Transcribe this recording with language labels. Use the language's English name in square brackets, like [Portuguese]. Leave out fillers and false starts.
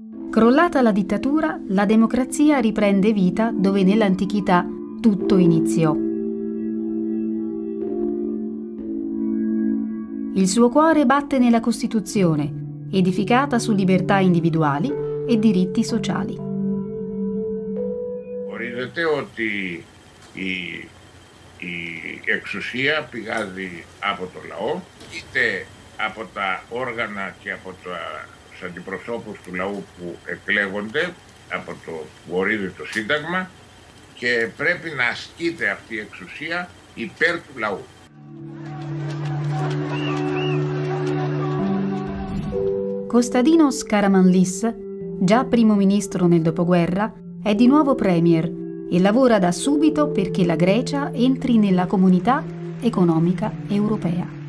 [Italian] Crollata la dittatura, la democrazia riprende vita dove nell'antichità tutto iniziò. Il suo cuore batte nella Costituzione, edificata su libertà individuali e diritti sociali. [Greek] Ορίζεται ότι η εξουσία πηγάζει από το λαό, είτε από τα όργανα και από τα αντιπροσώπους του λαού που εκλέγονται από το που ορίζει το Σύνταγμα και πρέπει να ασκείται αυτή η εξουσία υπέρ του λαού. [Italian] Kostadinos Karamanlis, già primo ministro nel dopoguerra, è di nuovo premier e lavora da subito perché la Grecia entri nella comunità economica europea.